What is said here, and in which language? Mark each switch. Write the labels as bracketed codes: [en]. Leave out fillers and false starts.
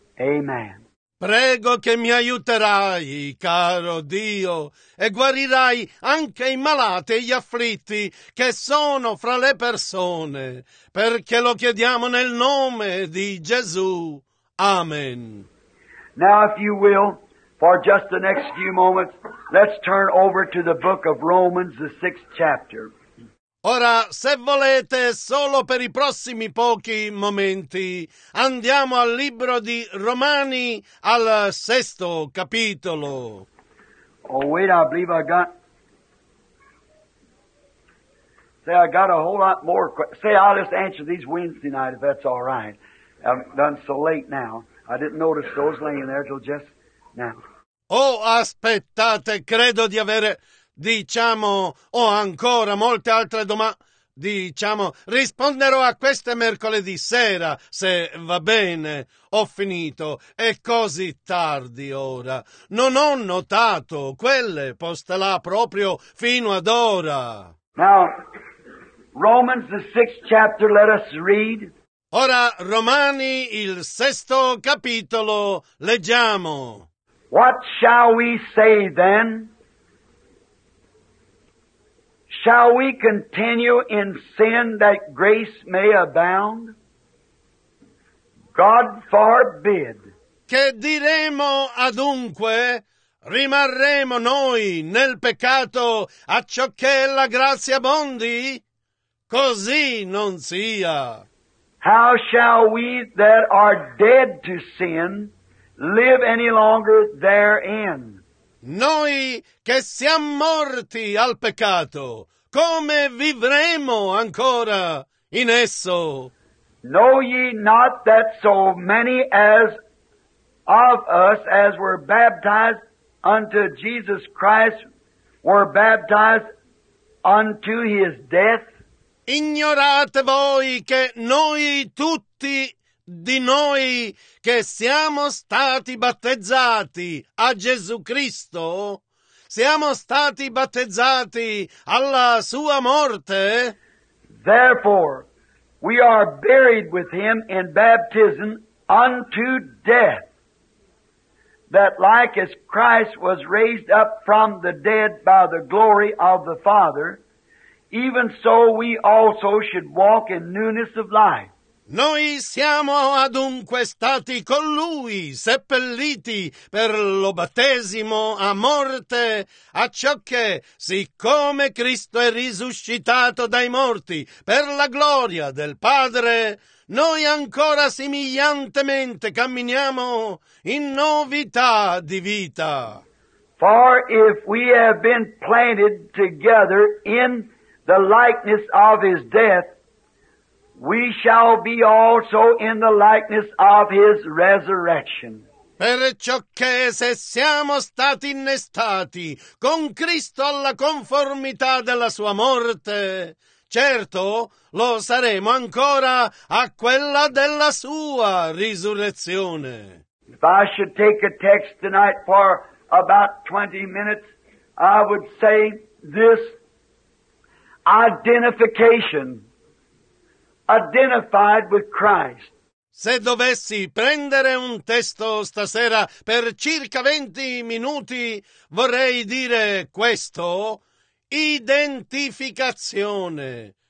[en] Amen. [it] Prego che mi aiuterai, caro Dio, e guarirai anche i malati e gli afflitti che sono fra le persone, perché lo chiediamo nel nome di Gesù. [en] Amen. Now, if you will, for just the next few moments, let's turn over to the book of Romans, the 6th chapter. [it] Ora, se volete, solo per i prossimi pochi momenti, andiamo al libro di Romani, al 6th capitolo. [en] Oh, wait, I believe I got... Say, I got a whole lot more... Say, I'll just answer these Wednesday night, if that's all right. I'm done so late now. I didn't notice those laying there till just now. [it] Oh, aspettate, credo di avere... Diciamo, ho ancora molte altre domande. Diciamo, risponderò a queste mercoledì sera, se va bene. Ho finito. È così tardi ora. Non ho notato quelle poste là proprio fino ad ora. [en] Now, Romans, the 6th chapter, let us read. [it] Ora, Romani, il 6th capitolo, leggiamo. [en] What shall we say then? Shall we continue in sin that grace may abound? God forbid. [it] Che diremo adunque? Rimarremo noi nel peccato a ciò che la grazia abbondi? Così non sia. [en] How shall we that are dead to sin live any longer therein? [it] Noi che siamo morti al peccato, come vivremo ancora in esso? [en] Know ye not that so many as of us as were baptized unto Jesus Christ were baptized unto his death? [it] Ignorate voi che noi tutti di noi che siamo stati battezzati a Gesù Cristo? Siamo stati battezzati alla sua morte? [en] Therefore, we are buried with him in baptism unto death, that like as Christ was raised up from the dead by the glory of the Father, even so we also should walk in newness of life. [it] Noi siamo adunque stati con Lui seppelliti per lo battesimo a morte, a ciò che, siccome Cristo è risuscitato dai morti per la gloria del Padre, noi ancora simigliantemente camminiamo in novità di vita. [en] For if we have been planted together in the likeness of his death, we shall be also in the likeness of his resurrection. [it] Perciò che se siamo stati innestati con Cristo alla conformità della sua morte, certo lo saremo ancora a quella della sua risurrezione. [en] If I should take a text tonight for about 20 minutes, I would say this identification. Identified with Christ. [it] Se dovessi prendere un testo stasera per circa 20 minuti, vorrei dire questo: identificazione.